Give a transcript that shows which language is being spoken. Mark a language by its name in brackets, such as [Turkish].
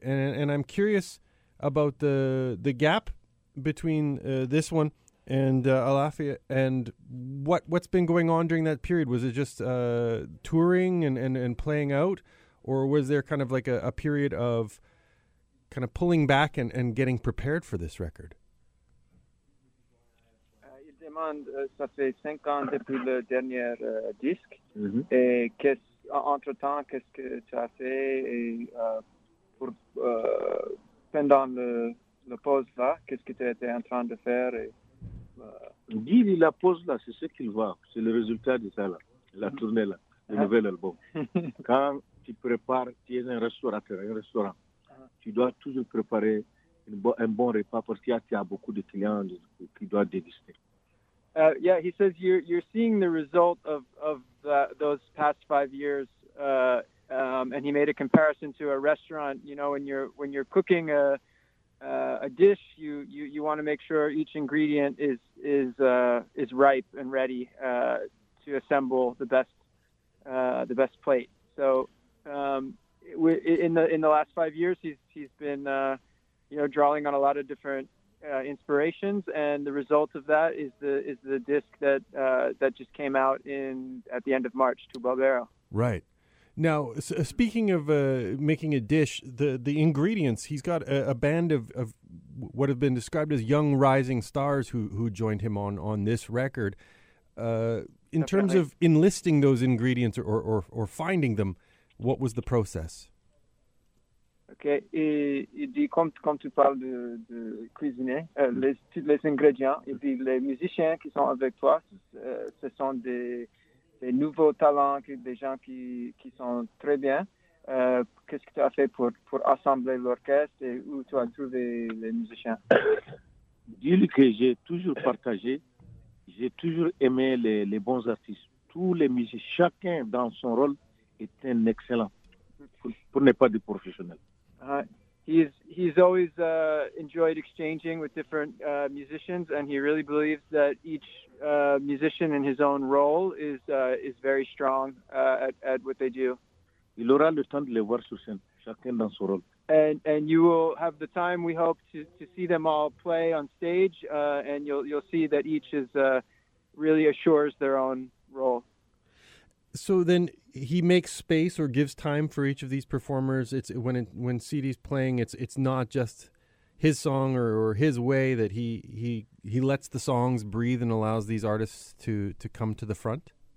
[English] And I'm curious about the gap between this one and Alafia, and what's been going on during that period. Was it just touring and playing out, or was there kind of like a period of kind of pulling back and getting prepared for this record? [French] Il demande, ça fait 5 ans depuis le dernier disque. Mm-hmm. Et entre-temps, qu'est-ce que tu as fait pendant le pause là, qu'est-ce que tu étais en train de faire? Dis-lui la pause là, c'est ce qu'il voit. C'est le résultat de ça là, la tournée là, le nouvel album. Quand tu prépares, tu es un restaurateur, un restaurant, tu dois toujours préparer un bon repas parce qu'il y a, tu as beaucoup de clients qui doivent déguster. [English] Yeah, he says you're seeing the result of those past 5 years. And he made a comparison to a restaurant, you know, when you're cooking a dish, you want to make sure each ingredient is ripe and ready to assemble the best plate. So in the last 5 years, he's been drawing on a lot of different inspirations, and the result of that is the disc that just came out at the end of March, Tu Barbero. Right. Now, speaking of making a dish, the ingredients, he's got a band of what have been described as young rising stars who joined him on this record. In terms of enlisting those ingredients or finding them, what was the process? [French] Okay, il dit comme tu parles de cuisiner, toutes les ingrédients, et puis les musiciens qui sont avec toi, ce sont des nouveaux talents, des gens qui sont très bien. Qu'est-ce que tu as fait pour assembler l'orchestre et où tu as trouvé les musiciens? Dis-lui que j'ai toujours partagé, j'ai toujours aimé les bons artistes. Tous les musiciens, chacun dans son rôle est un excellent, pour ne pas dire professionnel. [English] He's always enjoyed exchanging with different musicians, and he really believes that each musician in his own role is very strong at what they do. [French] Il aura le temps de les voir sur scène, chacun dans son rôle. [English] And you will have the time, we hope, to see them all play on stage, and you'll see that each is really assures their own role. So then he makes space or gives time for each of these performers. It's when CD's playing, it's not just his song or his way, that he lets the songs breathe and allows these artists to come to the front.